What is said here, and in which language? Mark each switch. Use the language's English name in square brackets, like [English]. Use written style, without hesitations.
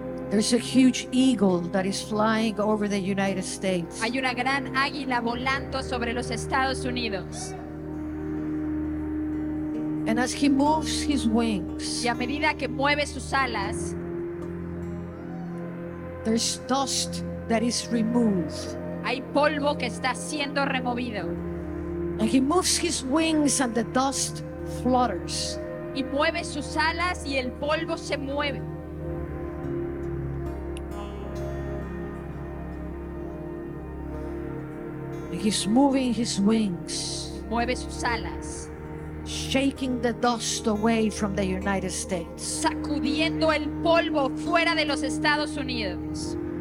[English] There's a huge eagle that is flying over the United States. [Spanish] Hay una gran águila volando sobre los Estados Unidos. [English] And as he moves his wings, [Spanish] y a medida que mueve sus alas, [English] there's dust that is removed. [Spanish] Hay polvo que está siendo removido. [English] And he moves his wings and the dust flutters. [Spanish] Y mueve sus alas y el polvo se mueve. [English] He's moving his wings. [Spanish] Mueve sus alas. [English] Shaking the dust away from the United States. [Spanish] Sacudiendo el polvo fuera de los Estados Unidos.